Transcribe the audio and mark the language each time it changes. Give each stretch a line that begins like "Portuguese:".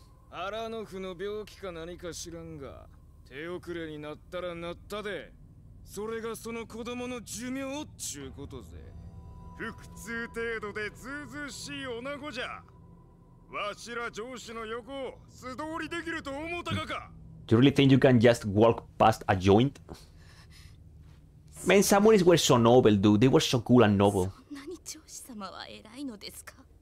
Japanese: アラノフの病気か何か知らんが、手遅れになったらなったで、それがその子供の寿命っちゅうことぜ。腹痛程度でずうずうしい女子じゃ。わしら上司の横、素通りできると思ったかか?
English: Do you really think you can just walk past a joint? Man, samurais were so noble, dude. They were so cool and noble.
Japanese: そんなに長子様は偉いのですか?